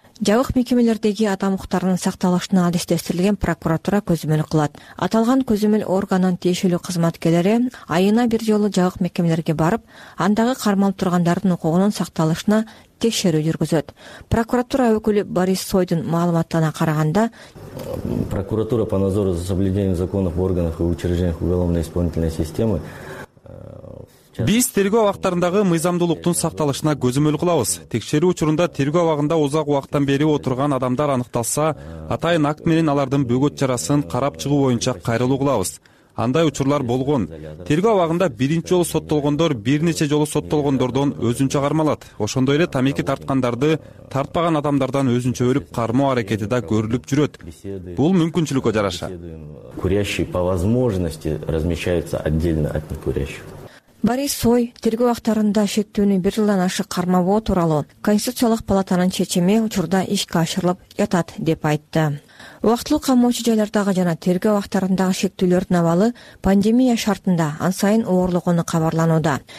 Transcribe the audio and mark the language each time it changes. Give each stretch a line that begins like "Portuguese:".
Kyrgyz: Жабык мекемелердеги адам укуктарынын сакталышына алиштештирилген прокуратура көзөмөл кылат. Аталган көзөмөл органынын тиешелүү кызматкерлери айына бир жолу жабык мекемелерге барып, андагы кармалып тургандардын укугунун сакталышына текшерүү жүргүзөт. Прокуратура өкүлү Борис Сойдун маалыматына караганда,
Russian: прокуратура по надзору за соблюдением законов органов и учреждений уголовной исполнительной системы.
Kyrgyz: Биз тергөө абактарындагы мыйзамдуулуктун сакталышына көзөмөл кылабыз. Текшерүү учурунда тергөө абагында узак убакыттан бери отурган адамдар аныкталса, атайын акт менен алардын бөгөт чарасын карап чыгуу боюнча кайрылуу кылабыз. Андай учурлар болгон. Тергөө абагында биринчи жолу соттолгондор бир нече жолу соттолгондордон өзүнчө кармалат. Ошондой эле тамеки тарткандарды тартпаган адамдардан өзүнчө өрүп кармоо аракети да көрүлүп жүрөт. Бул мүмкүнчүлүккө жараша.
Russian: Курящий по возможности размещается отдельно от некурящих.
Kyrgyz: Борис Сой тергөө убактарында шектүүнү бир жылдан ашык кармабоо тууралуу Конституциялык палатанын чечими учурда ишке ашырылып жатат деп айтты. Убактылуу камоочу жайлардагы жана тергөө убактарындагы шектүүлөрдүн абалы пандемия шартында ан сайын оорлогону кабарланууда.